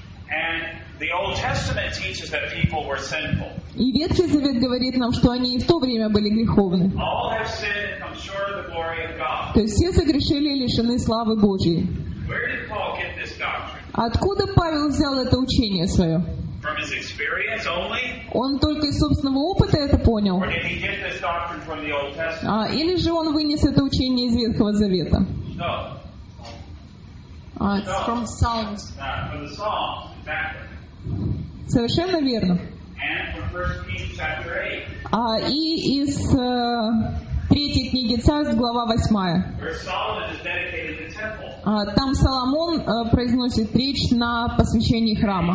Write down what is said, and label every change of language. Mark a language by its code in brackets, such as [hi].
[en] And the Old Testament teaches that people were sinful. [ru] И Ветхий Завет говорит нам, что они и в то время были греховны. [en] All have sinned and come short of the glory of God. [ru] То есть все согрешили и лишены славы Божьей. [en] Where did Paul get this doctrine? [ru] Откуда Павел взял это учение свое? [en] From his experience only? [ru] Он только из собственного опыта это понял? [en] Or did he get this doctrine from the Old Testament? [ru] А, или же он вынес это учение из Ветхого Завета? [en] No. It's from Psalms. From the Psalms, exactly. [ru] Совершенно верно. [en] And from 1 Kings chapter 8. [ru] И из третьей книги Царств, глава 8. [en] Where Solomon is dedicated the temple. [ru] Там Соломон произносит речь на посвящении храма.